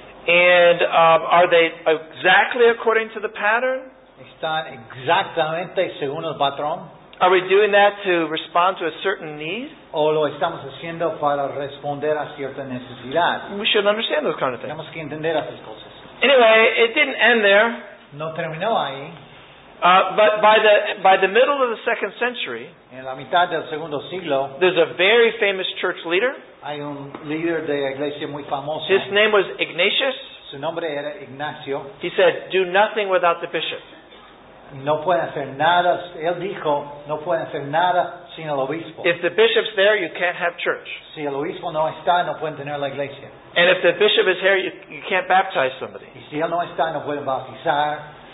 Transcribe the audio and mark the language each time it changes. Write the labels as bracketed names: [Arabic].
[English] And are they exactly according to the pattern? [Spanish] Están exactamente según el patrón. [English] Are we doing that to respond to a certain need? [Spanish] O lo estamos haciendo para responder a cierta necesidad. [English] We should understand those kind of things. [Spanish] Tenemos que entender esas cosas. [English] Anyway, it didn't end there. [Spanish] No terminó ahí. [English] But by the middle of the second century, [Spanish] en la mitad del segundo siglo, [English] there's a very famous church leader. [Spanish] Hay un líder de iglesia muy famoso. [English] His name was Ignatius. [Spanish] Su nombre era Ignacio. [English] He said, "Do nothing without the bishop." [Spanish] No pueden hacer nada. Él dijo, no pueden hacer nada sin el obispo. [English] If the bishop's there, you can't have church. [Spanish] Si el obispo no está, no pueden tener la iglesia. [English] And if the bishop is here, you can't baptize somebody. [Spanish] Y si él no está, no pueden bautizar.